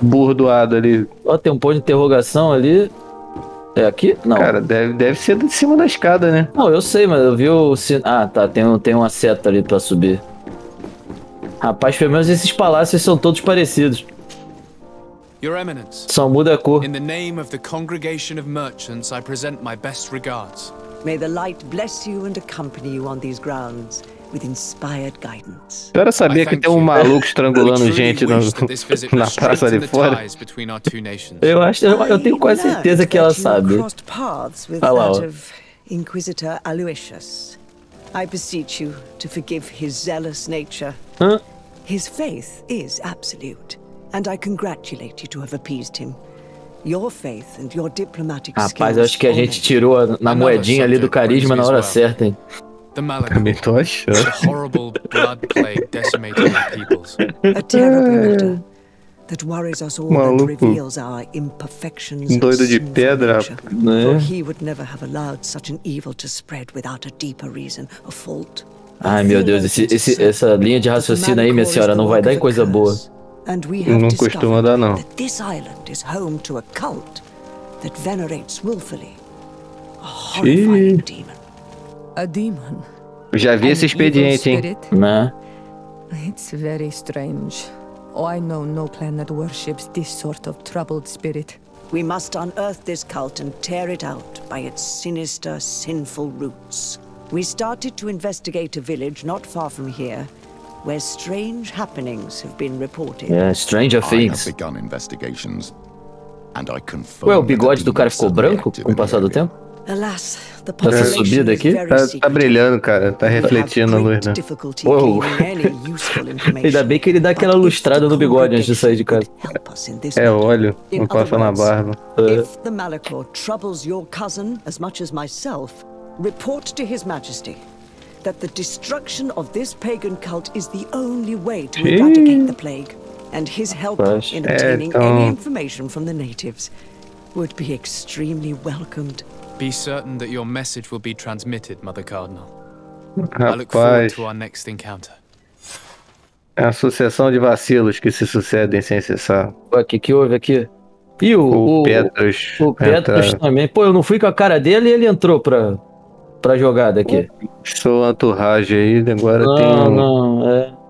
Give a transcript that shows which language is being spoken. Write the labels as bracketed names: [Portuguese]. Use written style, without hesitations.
[Portuguese] Burdoado ali. Ó, tem um ponto de interrogação ali. É aqui? Não. Cara, deve ser de cima da escada, né? Não, eu sei, mas eu vi o sino... Ah, tá, tem uma seta ali pra subir. Rapaz, pelo menos esses palácios são todos parecidos. [English] Your Eminence, [Portuguese] só muda a cor. [English] In the name of the Congregation of Merchants, I present my best regards. May the light bless you and accompany you on these grounds with inspired guidance. [Portuguese] Eu era saber que tem um maluco estrangulando gente no, na praça ali fora. Eu acho, eu tenho quase certeza que ela sabe. Olha lá, ó. Inquisitor Aloysius. [English] I beseech you to forgive his zealous nature. Hã? His faith is absolute, and I congratulate you to have appeased him. Your faith and your diplomatic skills. [Portuguese] Rapaz, eu acho que a gente tirou na moedinha ali do carisma na hora certa, hein? [English] The Malachite. [Portuguese] Tô achando. [English] The horrible blood plague decimating our peoples. A terrible matter that worries us all and reveals our imperfections. [Portuguese] Doido de pedra, né? [English] For he would never have allowed such an evil to spread without a deeper reason, a fault. [Portuguese] Ai, meu Deus, essa linha de raciocínio aí, minha senhora, não vai dar em coisa boa. Não costuma dar, não. [English] This island is home to a cult that venerates willfully. A horrifying demon. A demon. [Portuguese] Já vi esse expediente, hein? Né? [English] It's very strange. Oh, I know no clan that worships this sort of troubled spirit. We must unearth this cult and tear it out by its sinister, sinful roots. We started to investigate a village not far from here, where strange happenings have been reported. Yeah, stranger things. I have begun investigations, and I confirm. [Portuguese] Ué, o bigode do cara ficou branco com o passar do tempo? [English] Alas, the population is very secret. [Portuguese] Tá brilhando, cara. Tá refletindo a luz, né? Uou. Ainda bem que ele dá aquela lustrada no bigode antes de sair de casa. É óleo, não passa na barba. [English] If the Malachor troubles your cousin as much as myself, report to his majesty that the destruction of this pagan cult is the only way to eradicate the plague, and his help in obtaining any information from the natives would be extremely welcomed. Be certain that your message will be transmitted, Mother Cardinal. [Portuguese] Rapaz. [English] I look forward to our next encounter. [Portuguese] É a sucessão de vacilos que se sucedem sem cessar. Ué, que houve aqui? Ih, o Petrus. O Petrus também. Pô, eu não fui com a cara dele e ele entrou pra jogada aqui. Sou a entourage aí, agora não, tem um...